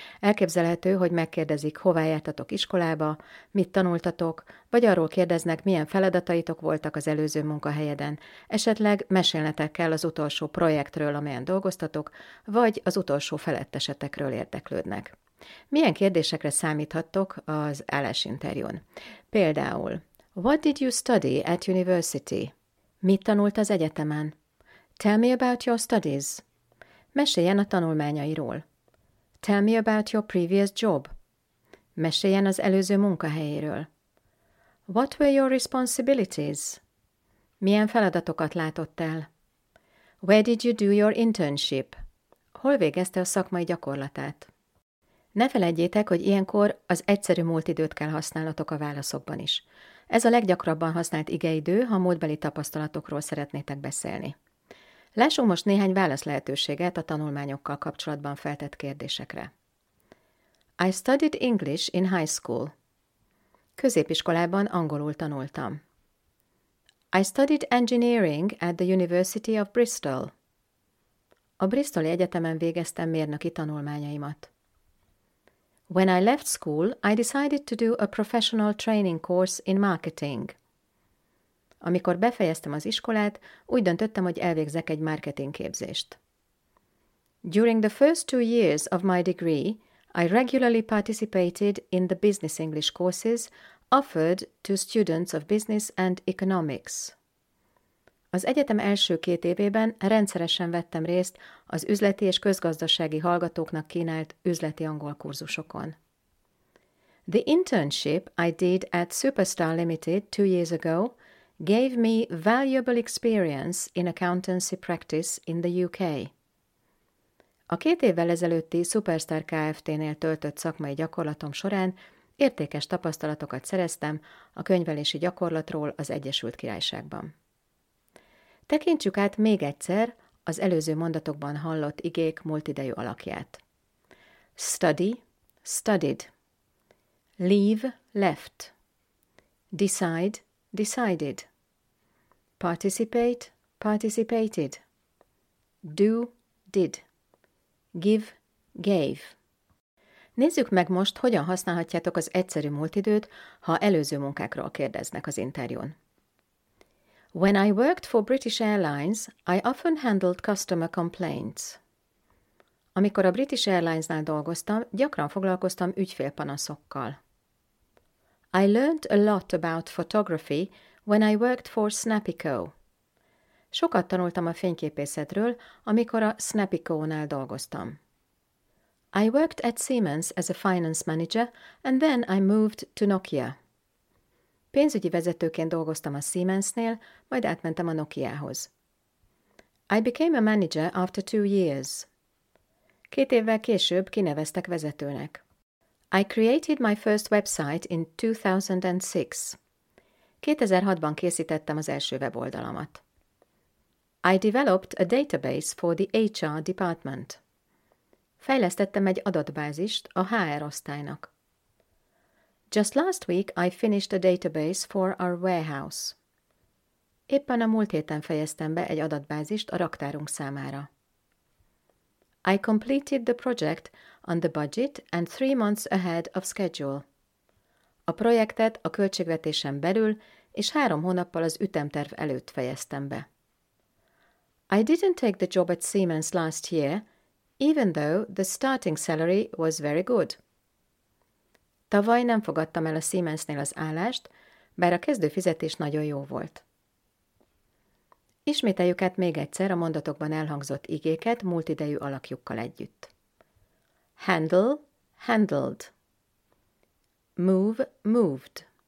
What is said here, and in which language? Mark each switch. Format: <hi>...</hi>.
<hu>Elképzelhető, hogy megkérdezik, hová jártatok iskolába, mit tanultatok, vagy arról kérdeznek, milyen feladataitok voltak az előző munkahelyeden. Esetleg mesélnetek kell az utolsó projektről, amelyen dolgoztatok, vagy az utolsó felettesetekről érdeklődnek. Milyen kérdésekre számíthattok az állásinterjún? Például...</hu> <en>What did you study at university?</en> <hu>Mit tanult az egyetemen?</hu> <en>Tell me about your studies.</en> <hu>Meséljen a tanulmányairól.</hu> <en>Tell me about your previous job.</en> <hu>Meséljen az előző munkahelyéről.</hu> <en>What were your responsibilities?</en> <hu>Milyen feladatokat látott el?</hu> <en>Where did you do your internship?</en> <hu>Hol végezte a szakmai gyakorlatát? Ne feledjétek, hogy ilyenkor az egyszerű múltidőt kell használnotok a válaszokban is. Ez a leggyakrabban használt igeidő, ha múltbeli tapasztalatokról szeretnétek beszélni. Lássunk most néhány válaszlehetőséget a tanulmányokkal kapcsolatban feltett kérdésekre.</hu> <en>I studied English in high school.</en> <hu>Középiskolában angolul tanultam.</hu> <en>I studied engineering at the University of Bristol.</en> <hu>A Bristoli Egyetemen végeztem mérnöki tanulmányaimat.</hu> <en>When I left school, I decided to do a professional training course in marketing.</en> <hu>Amikor befejeztem az iskolát, úgy döntöttem, hogy elvégzek egy marketing képzést.</hu> <en>During the first 2 years of my degree, I regularly participated in the business English courses offered to students of business and economics.</en> <hu>Az egyetem első 2 évében rendszeresen vettem részt az üzleti és közgazdasági hallgatóknak kínált üzleti angol kurzusokon.</hu> <en>The internship I did at Superstar Limited 2 years ago gave me valuable experience in accountancy practice in the UK.</en> <hu>A 2 évvel ezelőtti Superstar Kft-nél töltött szakmai gyakorlatom során értékes tapasztalatokat szereztem a könyvelési gyakorlatról az Egyesült Királyságban. Tekintsük át még egyszer az előző mondatokban hallott igék múltidejű alakját.</hu> <en>Study, studied. Leave, left. Decide, decided. Participate, participated. Do, did. Give, gave.</en> <hu>Nézzük meg most, hogyan használhatjátok az egyszerű múltidőt, ha előző munkákról kérdeznek az interjún.</hu> <en>When I worked for British Airlines, I often handled customer complaints.</en> <hu>Amikor a British Airlinesnál dolgoztam, gyakran foglalkoztam ügyfélpanaszokkal.</hu> <en>I learned a lot about photography when I worked for Snappico.</en> <hu>Sokat tanultam a fényképészetről, amikor a Snappico-nál dolgoztam.</hu> <en>I worked at Siemens as a finance manager, and then I moved to Nokia.</en> <hu>Pénzügyi vezetőként dolgoztam a Siemensnél, majd átmentem a Nokiához.</hu> <en>I became a manager after 2 years.</en> <hu>2 évvel később kineveztek vezetőnek.</hu> <en>I created my first website in 2006.</en> <hu>2006-ban készítettem az első weboldalamat.</hu> <en>I developed a database for the HR department.</en> <hu>Fejlesztettem egy adatbázist a HR osztálynak.</hu> <en>Just last week I finished a database for our warehouse.</en> <hu>Éppen a múlt héten fejeztem be egy adatbázist a raktárunk számára.</hu> <en>I completed the project on the budget and 3 months ahead of schedule.</en> <hu>A projektet a költségvetésen belül és 3 hónappal az ütemterv előtt fejeztem be.</hu> <en>I didn't take the job at Siemens last year, even though the starting salary was very good.</en> <hu>Tavaly nem fogadtam el a Siemensnél az állást, bár a kezdő fizetés nagyon jó volt. Ismételjük át még egyszer a mondatokban elhangzott igéket múltidejű alakjukkal együtt.</hu> <en>Handle, handled. Move, moved.</en>